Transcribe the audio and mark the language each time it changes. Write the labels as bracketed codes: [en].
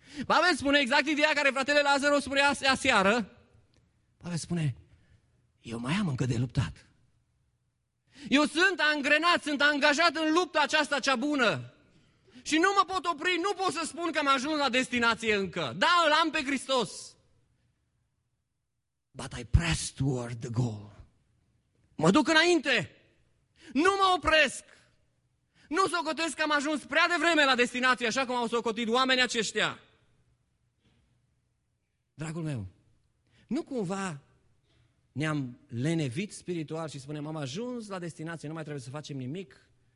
[ro] Pavel spune exact ideea care fratele Lazar o spunea aseară. Pavel spune, eu mai am încă de luptat. Eu sunt angrenat, sunt angajat în lupta aceasta cea bună. Și nu mă pot opri, nu pot să spun că am ajuns la destinație încă. Da, îl am pe Hristos. [en] But I press toward the goal. [ro] Mă duc înainte. Nu mă opresc. Nu socotesc că am ajuns prea devreme la destinație, așa cum au socotit oamenii aceștia. Dragul meu, nu cumva ne-am lenevit spiritual și spunem, am ajuns la destinație, nu mai trebuie să facem nimic.